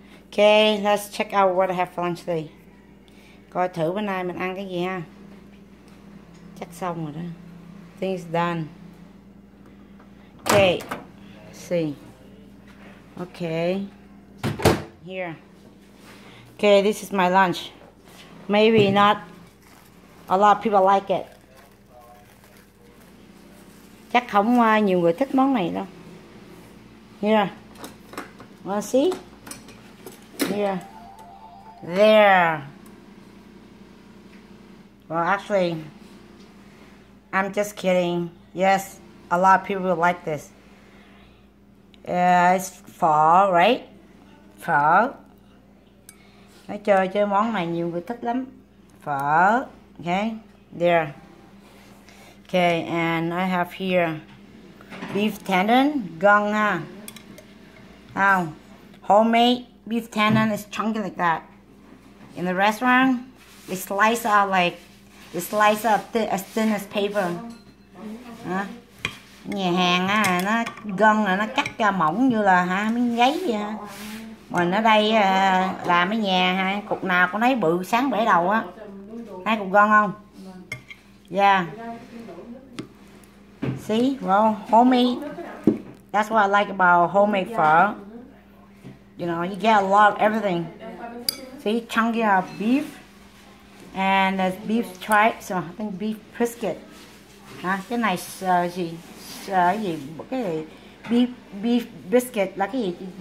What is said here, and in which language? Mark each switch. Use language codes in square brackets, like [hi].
[en] Okay, let's check out what I have for lunch today. [vi] Coi thử bữa nay mình ăn cái gì ha. Chắc xong rồi đó. [en] Things done. Okay. See. Okay. Here. Okay, this is my lunch. Maybe not a lot of people like it. [vi] Chắc không nhiều người thích món này đâu. [en] Here. Wanna see? Here. There. Well, actually, I'm just kidding. Yes, a lot of people will like this. It's fall, right? Phở. [vi] Nói chơi chơi món này nhiều người thích lắm. [en] Phở. Okay, there. Okay, and I have here beef tendon. Gong ha. Oh, homemade beef tendon is chunky like that. In the restaurant, they slice out like it's sliced up as thin as paper. [vi] Nhà hàng á, nó gân là nó cắt ra mỏng như là ha miếng giấy vậy. Mình ở đây làm ở nhà ha, cục nào cũng lấy bự sáng bể đầu á. Thấy cục gân không? Yeah. [en] See, well, homemade. That's what I like about homemade pho. You know, you get a lot of everything. See, chunky of beef. And the beef tripe, so I think beef brisket. [vi] Huh? Cái này gì? Gì? Cái beef brisket là cái gì?